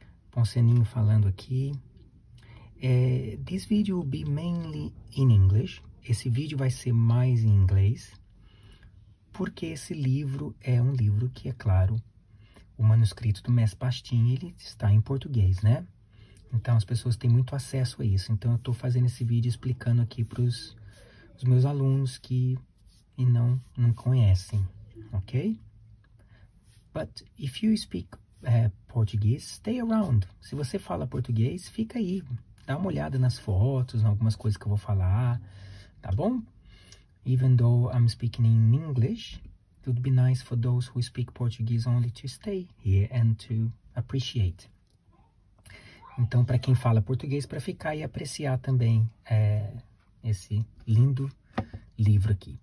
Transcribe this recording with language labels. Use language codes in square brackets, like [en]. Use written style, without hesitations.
[pt] Ponceninho falando aqui. [en] This video will be mainly in English. [pt] Esse vídeo vai ser mais em inglês, porque esse livro é um livro que, é claro, o manuscrito do Mestre Pastinha, ele está em português, né? Então, as pessoas têm muito acesso a isso. Então, eu estou fazendo esse vídeo explicando aqui para os meus alunos que e não conhecem, ok? [en] But if you speak Portuguese, stay around. [pt] Se você fala português, fica aí. Dá uma olhada nas fotos, em algumas coisas que eu vou falar, tá bom? [en] Even though I'm speaking in English, it would be nice for those who speak Portuguese only to stay here and to appreciate. [pt] Então, para quem fala português, para ficar e apreciar também esse lindo livro aqui.